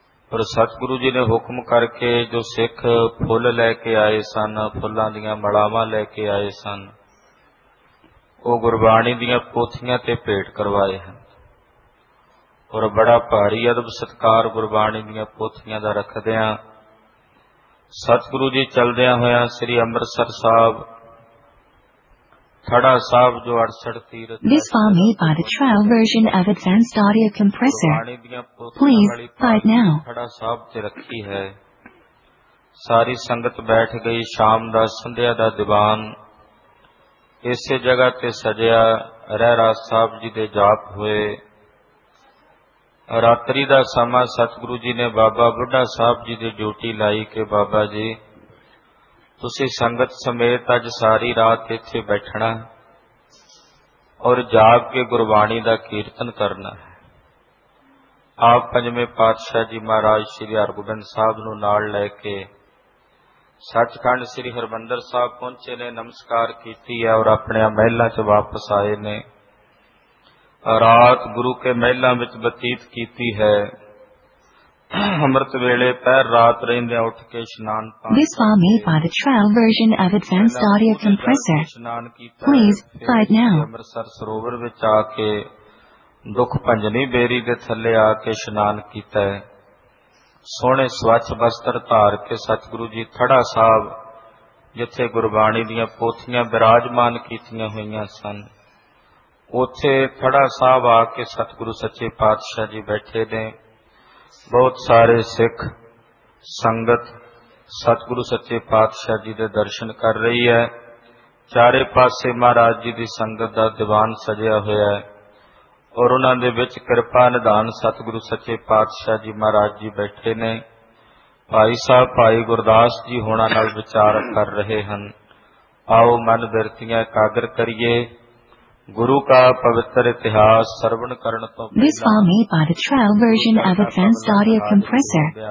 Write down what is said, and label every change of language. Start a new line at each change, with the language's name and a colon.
Punjabi: ਪਰ ਸਤਿਗੁਰੂ ਜੀ ਨੇ ਹੁਕਮ ਕਰਕੇ ਜੋ ਸਿੱਖ ਫੁੱਲ ਲੈ ਕੇ ਆਏ ਸਨ ਫੁੱਲਾਂ ਦੀਆਂ ਮਲਾਵਾਂ ਲੈ ਕੇ ਆਏ ਸਨ ਉਹ ਗੁਰਬਾਣੀ ਦੀਆਂ ਪੋਥੀਆਂ ਤੇ ਭੇਟ ਕਰਵਾਏ ਹਨ ਔਰ ਬੜਾ ਭਾਰੀ ਅਦਬ ਸਤਿਕਾਰ ਗੁਰਬਾਣੀ ਦੀਆਂ ਪੋਥੀਆਂ ਦਾ ਰੱਖਦਿਆਂ ਸਤਿਗੁਰੂ ਜੀ ਚਲਦਿਆਂ ਹੋਇਆਂ ਸ੍ਰੀ ਅੰਮ੍ਰਿਤਸਰ ਸਾਹਿਬ ਖੜਾ ਸਾਹਿਬ ਜੋ 68 ਤੀਰਥ
English: This file made by the trial version of advanced audio compressor. Please, buy it now.
Punjabi: ਖੜਾ ਸਾਹਿਬ ਤੇ ਰੱਖੀ ਹੈ ਸਾਰੀ ਸੰਗਤ ਬੈਠ ਗਈ ਸ਼ਾਮ ਦਾ ਸੰਧਿਆ ਦਾ ਦੀਵਾਨ ਇਸੇ ਜਗ੍ਹਾ ਤੇ ਸਜਿਆ ਰਹਿਰਾਜ ਸਾਹਿਬ ਜੀ ਦੇ ਜਾਪ ਹੋਏ ਰਾਤਰੀ ਦਾ ਸਮਾਂ ਸਤਿਗੁਰੂ ਜੀ ਨੇ ਬਾਬਾ ਬੁੱਢਾ ਸਾਹਿਬ ਜੀ ਦੀ ਡਿਊਟੀ ਲਾਈ ਕਿ ਬਾਬਾ ਜੀ ਤੁਸੀਂ ਸੰਗਤ ਸਮੇਤ ਅੱਜ ਸਾਰੀ ਰਾਤ ਇੱਥੇ ਬੈਠਣਾ ਔਰ ਜਾਗ ਕੇ ਗੁਰਬਾਣੀ ਦਾ ਕੀਰਤਨ ਕਰਨਾ ਹੈ ਆਪ ਪੰਜਵੇਂ ਪਾਤਸ਼ਾਹ ਜੀ ਮਹਾਰਾਜ ਸ੍ਰੀ ਹਰਗੋਬਿੰਦ ਸਾਹਿਬ ਨੂੰ ਨਾਲ ਲੈ ਕੇ ਸੱਚਖੰਡ ਸ੍ਰੀ ਹਰਿਮੰਦਰ ਸਾਹਿਬ ਪਹੁੰਚੇ ਨੇ ਨਮਸਕਾਰ ਕੀਤੀ ਹੈ ਔਰ ਆਪਣਿਆਂ ਮਹਿਲਾਂ ਚ ਵਾਪਸ ਆਏ ਨੇ ਰਾਤ ਗੁਰੂ ਕੇ ਮਹਿਲਾਂ ਵਿਚ ਬਤੀਤ ਕੀਤੀ ਹੈ ਅੰਮ੍ਰਿਤ ਵੇਲੇ ਪਹਿਰ ਰਾਤ ਰਹਿੰਦਿਆਂ ਉੱਠ ਕੇ ਇਸ਼ਨਾਨ
English: This file made by the trial version of advanced audio compressor.
Punjabi: ਇਸ਼ਨਾਨ ਕੀਤਾ
English: Please, buy it now.
Punjabi: Amritsar ਸਰੋਵਰ ਵਿਚ ਆ ਕੇ ਦੁੱਖ ਭੰਜਨੀ ਬੇਰੀ ਦੇ ਥੱਲੇ ਆ ਕੇ ਇਸ਼ਨਾਨ ਕੀਤਾ ਹੈ ਸੋਹਣੇ ਸਵੱਛ ਵਸਤਰ ਧਾਰ ਕੇ ਸਤਿਗੁਰੂ ਜੀ ਖੜਾ ਸਾਹਿਬ ਜਿੱਥੇ ਗੁਰਬਾਣੀ ਦੀਆਂ ਪੋਥੀਆਂ ਬਿਰਾਜਮਾਨ ਕੀਤੀਆਂ ਹੋਈਆਂ ਸਨ ਉਥੇ ਖੜਾ ਸਾਹਿਬ ਆ ਕੇ ਸਤਿਗੁਰੂ ਸੱਚੇ ਪਾਤਸ਼ਾਹ ਜੀ ਬੈਠੇ ਨੇ ਬਹੁਤ ਸਾਰੇ ਸਿੱਖ ਸੰਗਤ ਸਤਿਗੁਰੂ ਸੱਚੇ ਪਾਤਸ਼ਾਹ ਜੀ ਦੇ ਦਰਸ਼ਨ ਕਰ ਰਹੀ ਹੈ ਚਾਰੇ ਪਾਸੇ ਮਹਾਰਾਜ ਜੀ ਦੀ ਸੰਗਤ ਦਾ ਦੀਵਾਨ ਸਜਿਆ ਹੋਇਆ ਔਰ ਉਹਨਾਂ ਦੇ ਵਿਚ ਕਿਰਪਾ ਨਿਧਾਨ ਸਤਿਗੁਰੂ ਸੱਚੇ ਪਾਤਸ਼ਾਹ ਜੀ ਮਹਾਰਾਜ ਜੀ ਬੈਠੇ ਨੇ ਭਾਈ ਸਾਹਿਬ ਭਾਈ ਗੁਰਦਾਸ ਜੀ ਹੋਣਾ ਨਾਲ ਵਿਚਾਰ ਕਰ ਰਹੇ ਹਨ ਆਓ ਮਨ ਬਿਰਤੀਆਂ ਇਕਾਗਰ ਕਰੀਏ ਗੁਰੂ ਕਾ ਪਵਿੱਤਰ ਇਤਿਹਾਸ ਸਰਵਣ ਕਰਨ ਤੋਂ
English: This file made by the trial version of advanced audio compressor.